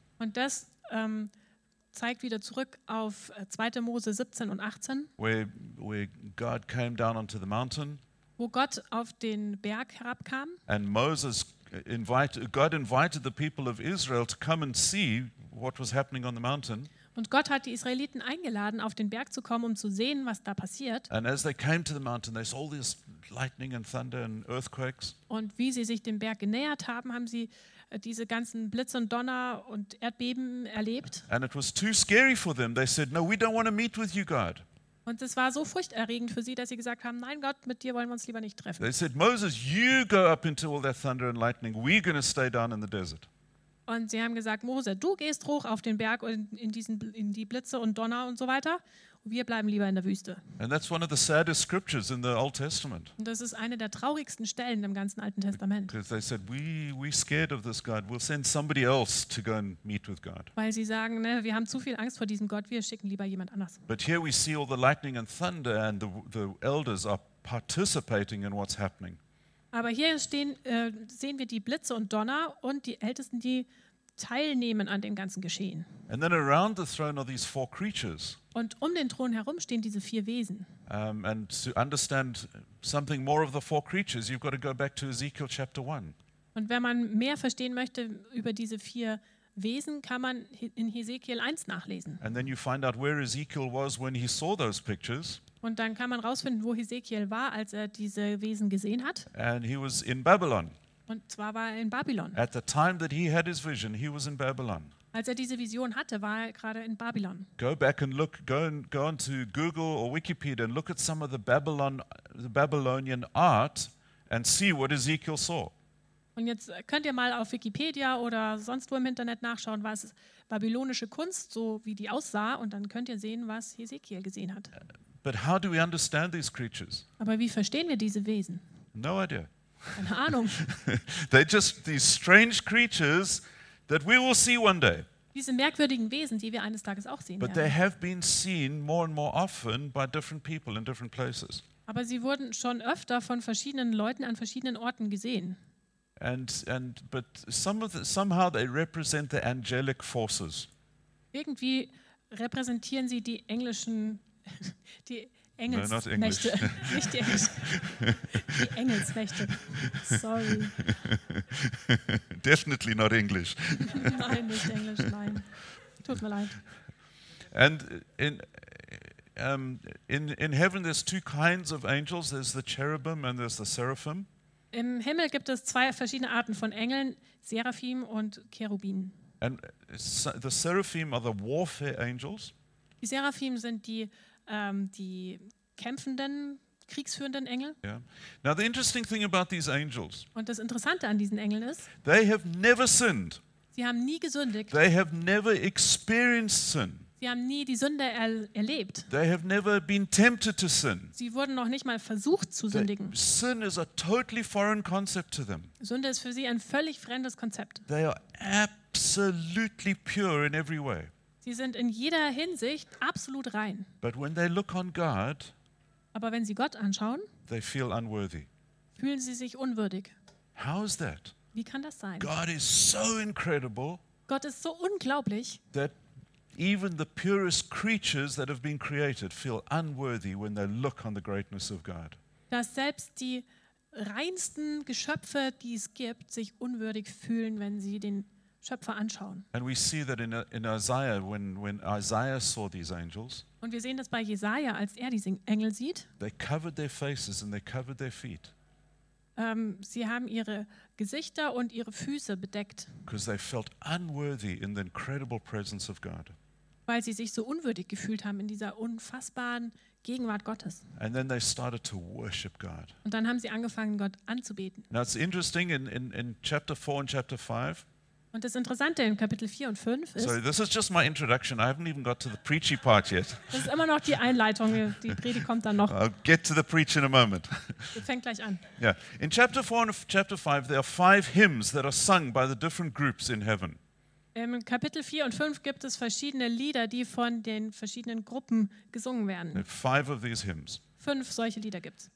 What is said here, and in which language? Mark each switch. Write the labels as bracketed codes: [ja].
[de] Und das zeigt wieder zurück auf 2. Mose 17 und 18. [en] Where God came down onto the mountain. [de] Wo Gott auf den Berg herabkam. [en] And Moses God invited the people of Israel to come and see what was happening on the mountain. [de] Und Gott hat die Israeliten eingeladen, auf den Berg zu kommen, um zu sehen, was da passiert. [en] And as they came to the mountain, they saw all this lightning and thunder and earthquakes. [de] Und wie sie sich dem Berg genähert haben, haben sie diese ganzen Blitze und Donner und Erdbeben erlebt. [en] And it was too scary for them. They said, "No, we don't want to meet with you, God." [de] Und es war so furchterregend für sie, dass sie gesagt haben, nein Gott, mit dir wollen wir uns lieber nicht treffen. [en] They said, Moses, you go up into all that thunder and lightning. We're going to stay down in the desert. [de] Und sie haben gesagt, Mose, du gehst hoch auf den Berg und in die Blitze und Donner und so weiter. Wir bleiben lieber in der Wüste. [en] And that's one of the saddest scriptures in the Old Testament. [de] Und das ist eine der traurigsten Stellen im ganzen Alten Testament. [en] Because they said, we're scared of this God. We'll send somebody else to go and meet with God. [de] Weil sie sagen, ne, wir haben zu viel Angst vor diesem Gott. Wir schicken lieber jemand anders. [en] But here we see all the lightning and thunder, and the elders are participating in what's happening. [de] Aber hier sehen wir die Blitze und Donner und die Ältesten, die teilnehmen an dem ganzen Geschehen. [en] And then around the throne are these four creatures. [de] Und um den Thron herum stehen diese vier Wesen. [en] And to understand something more of the four creatures, you've got to go back to Ezekiel chapter 1. [de] Und wenn man mehr verstehen möchte über diese vier Wesen, kann man in Ezekiel 1 nachlesen. [en] And then you find out where Ezekiel was when he saw those pictures. [de] Und dann kann man rausfinden, wo Ezekiel war, als er diese Wesen gesehen hat. [en] And he was in Babylon. [de] Und zwar war er in Babylon. [en] At the time that he had his vision, he was in Babylon. [de] Als er diese Vision hatte, war er gerade in Babylon. [en] Go back and look, go on to Google or Wikipedia and look at some of the Babylonian art and see what Ezekiel saw. [de] Und jetzt könnt ihr mal auf Wikipedia oder sonst wo im Internet nachschauen, was babylonische Kunst, so wie die aussah, und dann könnt ihr sehen, was Ezekiel gesehen hat. [en] But how do we understand these creatures? [de] Aber wie verstehen wir diese Wesen? [en] No idea. [de] Keine Ahnung. [en] They're just these strange creatures that we will see one day. [de] Diese merkwürdigen Wesen, die wir eines Tages auch sehen werden. [en] But they have been seen more and more often by different people in different places. [de] Aber sie wurden schon öfter von verschiedenen Leuten an verschiedenen Orten gesehen. [en] But somehow they represent the angelic forces. [de] Irgendwie repräsentieren sie die englischen die Engelsnächte. [en] No, not English. [de] Nicht die Engelsnächte. [en] Sorry. Definitely not English. [de] Nein, nicht Englisch, nein. Tut mir leid. [en] And in heaven there's two kinds of angels. There's the cherubim and there's the seraphim. [de] Im Himmel gibt es zwei verschiedene Arten von Engeln, Seraphim und Cherubin. [en] And the seraphim are the warfare angels. [de] Die Seraphim sind die die kämpfenden, kriegsführenden Engel. Yeah. [en] Now the interesting thing about these angels. [de] Und das Interessante an diesen Engeln ist, [en] they have never sinned. [de] Sie haben nie gesündigt. [en] They have never experienced sin. [de] Sie haben nie die Sünde erlebt. [en] They have never been tempted to sin. [de] Sie wurden noch nicht mal versucht zu sündigen. [en] Sin is a totally foreign concept to them. [de] Sünde ist für sie ein völlig fremdes Konzept. [en] They are absolutely pure in every way. [de] Sie sind in jeder Hinsicht absolut rein. [en] But when they look on God, [de] aber wenn sie Gott anschauen, [en] they feel unworthy. [de] Fühlen sie sich unwürdig. [en] How is that? [de] Wie kann das sein? [en] God is so incredible. [de] Gott ist so unglaublich. [en] That even the purest creatures that have been created feel unworthy when they look on the greatness of God. [de] Dass selbst die reinsten Geschöpfe, die es gibt, sich unwürdig fühlen, wenn sie den Schöpfer anschauen. [en] And we see that in Isaiah, when Isaiah saw these angels. [de] Und wir sehen das bei Jesaja, als er diese Engel sieht. [en] They covered their faces and they covered their feet. [de] Sie haben ihre Gesichter und ihre Füße bedeckt. [en] Because they felt unworthy in the incredible presence of God. [de] Weil sie sich so unwürdig gefühlt haben in dieser unfassbaren Gegenwart Gottes. [en] And then they started to worship God. [de] Und dann haben sie angefangen, Gott anzubeten. [en] Now it's interesting in chapter 4 and chapter 5. [de] Und das Interessante in Kapitel 4 und 5 ist. [en] Sorry, this is just my introduction. I haven't even got to the preachy part yet. [de] Das ist immer noch die Einleitung. Die Predigt kommt dann noch. [en] I'll get to the preach in a moment. [de] Es fängt gleich an. Yeah. [en] In chapter 4 and chapter 5, there are five hymns that are sung by the different groups in heaven. [de] Im Kapitel 4 und 5 gibt es verschiedene Lieder, die von den verschiedenen Gruppen gesungen werden. [en] Five of these hymns. [de] Fünf solche Lieder gibt es.